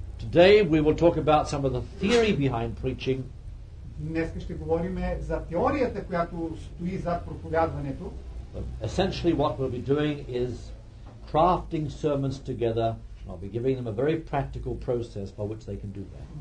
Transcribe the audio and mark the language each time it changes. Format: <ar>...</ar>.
<en>Today we will talk about some of the theory behind preaching.</en> <bg>Днес ще говорим за теорията, която стои зад проповядването.</bg> <en>But essentially what we'll be doing is crafting sermons together. I'll be giving them a very practical process by which they can do that.</en>